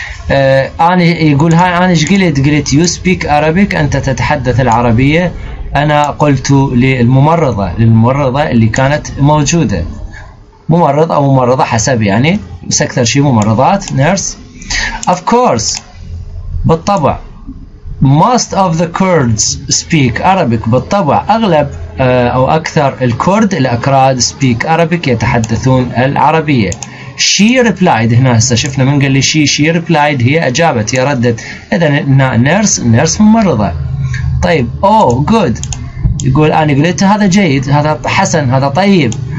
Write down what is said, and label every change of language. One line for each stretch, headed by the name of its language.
Arabic: أنا يقول هاي أنا قلت
English: you speak Arabic،
Arabic: أنت تتحدث العربية، أنا قلت للممرضة اللي كانت موجودة، ممرضة أو ممرضة حسب يعني، بس أكثر شيء ممرضات، nurse،
English: of course
Arabic: بالطبع
English: Most of the Kurds speak Arabic.
Arabic: بالطبع أغلب أو أكثر الكرد الأكراد
English: speak Arabic,
Arabic: يتحدثون العربية.
English: She replied,
Arabic: هنا هسه شفنا من قال لي
English: she replied,
Arabic: هي أجابت, هي ردت. إذن نيرس ممرضة. طيب
English: oh good,
Arabic: يقول أنا قلت هذا جيد, هذا حسن, هذا طيب.